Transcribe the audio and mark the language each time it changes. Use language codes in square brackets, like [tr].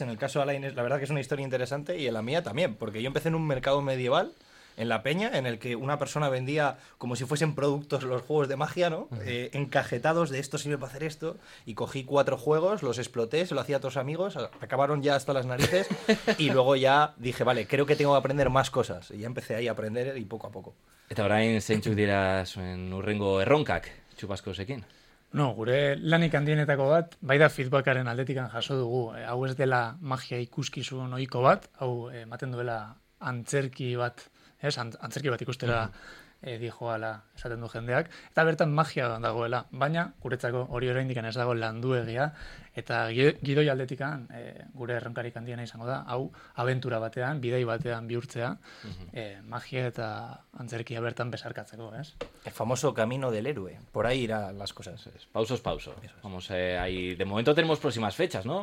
[es] En el caso de Alain, la verdad que es una historia interesante, y en la mía también, porque yo empecé en un mercado medieval, en la peña, en el que una persona vendía como si fuesen productos los juegos de magia, ¿no? Encajetados de esto sirve para hacer esto. Y cogí 4 juegos, los exploté, se lo hacía a otros amigos, acabaron ya hasta las narices. Y luego ya dije, vale, creo que tengo que aprender más cosas. Y ya empecé ahí a aprender y poco a poco. [eu] Eta orain, zeintzuk dira zuen urrengo erronkak, txupaskosekin? No, gure lanik handienetako bat, bai da feedbackaren aldetikan jaso dugu. Hau ez dela magia ikuskizun ohiko bat, hau ematen duela antzerki bat, ez? Antzerki bat ikustera dihoala esaten du jendeak. Eta bertan magia dagoela, baina guretzako hori oraindik ez dago landu egia. Eta gidoi aldetikan gure erronkarik handiena izango da, hau abentura batean, bidai batean bihurtzea, magia eta antzerkia bertan besarkatzeko, ez? [es] El famoso camino del héroe, por ahí irá las cosas. Pauso. Vamos, ahí. De momento tenemos próximas fechas, ¿no?